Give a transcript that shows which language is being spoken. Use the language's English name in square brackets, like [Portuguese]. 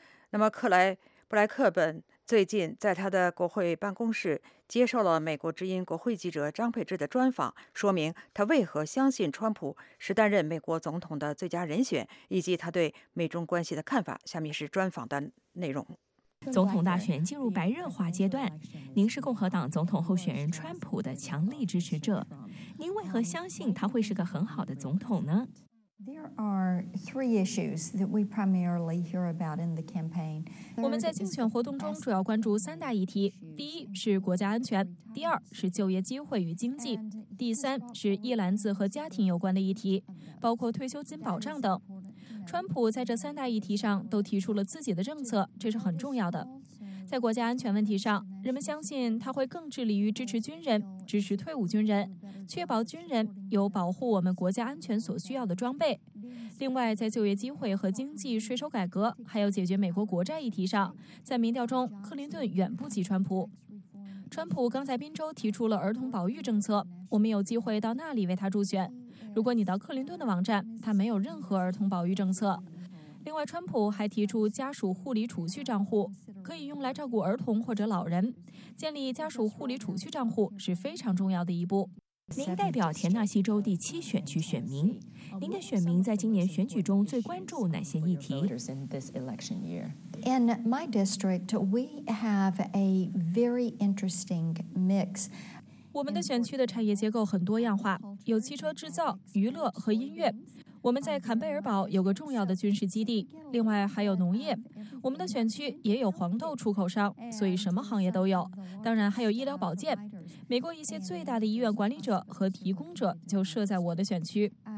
[Chinese] 那么布莱克本最近在他的国会办公室接受了美国之音国会记者张佩芝的专访，说明他为何相信川普是担任美国总统的最佳人选，以及他对美中关系的看法。下面是专访的内容。总统大选进入白热化阶段，您是共和党总统候选人川普的强力支持者，您为何相信他会是个很好的总统呢？ [English] There are three issues that we primarily hear about in the campaign. [Chinese] 我们在竞选活动中主要关注三大议题：第一是国家安全，第二是就业机会与经济，第三是一篮子和家庭有关的议题，包括退休金保障等。川普在这三大议题上都提出了自己的政策，这是很重要的。在国家安全问题上，人们相信他会更致力于支持军人，支持退伍军人，确保军人有保护我们国家安全所需要的装备。另外，在就业机会和经济、税收改革，还有解决美国国债议题上，在民调中，克林顿远不及川普。川普刚在宾州提出了儿童保育政策，我们有机会到那里为他助选。如果你到克林顿的网站，他没有任何儿童保育政策。另外，川普还提出家属护理储蓄账户，可以用来照顾儿童或者老人。建立家属护理储蓄账户是非常重要的一步。您代表田纳西州第七选区选民，您的选民在今年选举中最关注哪些议题？ [English] In my district, we have a very interesting mix. [Chinese] 我们的选区的产业结构很多样化，有汽车制造、娱乐和音乐。我们在坎贝尔堡有个重要的军事基地，另外还有农业。我们的选区也有黄豆出口商，所以什么行业都有。当然还有医疗保健。美国一些最大的医院管理者和提供者就设在我的选区。